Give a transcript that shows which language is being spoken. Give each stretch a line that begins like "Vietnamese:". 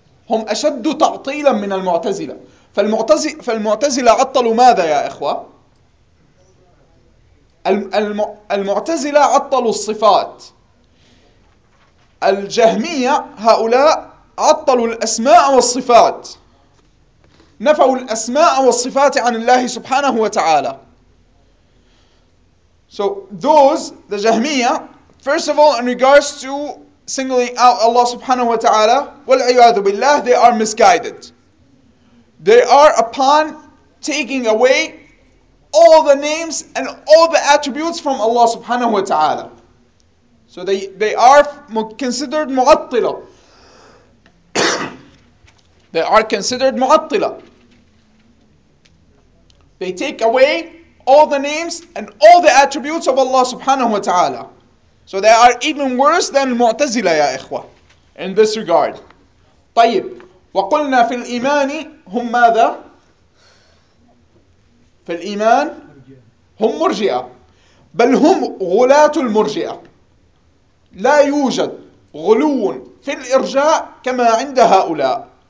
Arabic: هم أشد تعطيلا من المعتزلة. فالمعتزلة عطلوا ماذا يا إخوة؟ المعتزلة عطلوا الصفات. الجهمية هؤلاء عطلوا الأسماء والصفات. نفوا الأسماء والصفات عن الله سبحانه وتعالى.
English: So those, the Jahmiyyah, first of all, in regards to singling out Allah subhanahu wa ta'ala,
Arabic: وَالْعِيَاذُ بِاللَّهِ,
English: they are misguided. They are upon taking away all the names and all the attributes from Allah subhanahu wa ta'ala. So they are considered مُعَطِّلَ. They are considered مُعَطِّلَ. They take away all the names and all the attributes of Allah subhanahu wa ta'ala. So they are even worse than Mu'tazila,
Arabic: ya ikhwa,
English: in this regard.
Arabic: طيب, وقلنا في الإيمان هم ماذا؟ في الإيمان هم مرجئة. بل هم غلاة المرجئة. لا يوجد غلو في الإرجاء كما عند هؤلاء.